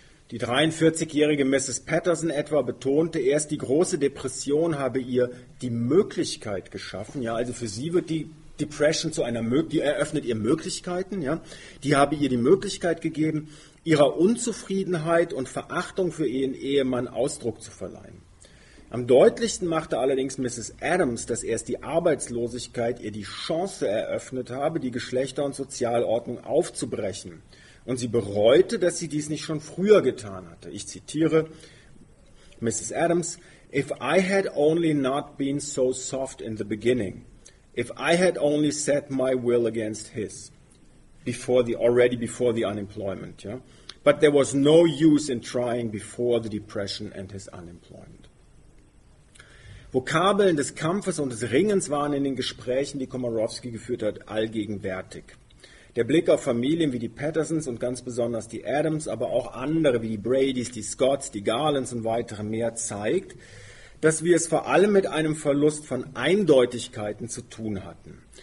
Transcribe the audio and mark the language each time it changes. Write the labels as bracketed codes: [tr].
[de] Die 43-jährige Mrs. Patterson etwa betonte erst, die große Depression habe ihr die Möglichkeit geschaffen, ja, also für sie wird die Depression zu einer Möglichkeit, die eröffnet ihr Möglichkeiten, ja, die habe ihr die Möglichkeit gegeben, ihrer Unzufriedenheit und Verachtung für ihren Ehemann Ausdruck zu verleihen. Am deutlichsten machte allerdings Mrs. Adams, dass erst die Arbeitslosigkeit ihr die Chance eröffnet habe, die Geschlechter- und Sozialordnung aufzubrechen. Und sie bereute, dass sie dies nicht schon früher getan hatte. Ich zitiere Mrs. [en] Adams, "If I had only not been so soft in the beginning, if I had only set my will against his, before the unemployment. Yeah? But there was no use in trying before the depression and his unemployment." [de] Vokabeln des Kampfes und des Ringens waren in den Gesprächen, die Komorowski geführt hat, allgegenwärtig. Der Blick auf Familien wie die Pattersons und ganz besonders die Adams, aber auch andere wie die Bradys, die Scotts, die Garlands und weitere mehr zeigt, dass wir es vor allem mit einem Verlust von Eindeutigkeiten zu tun hatten.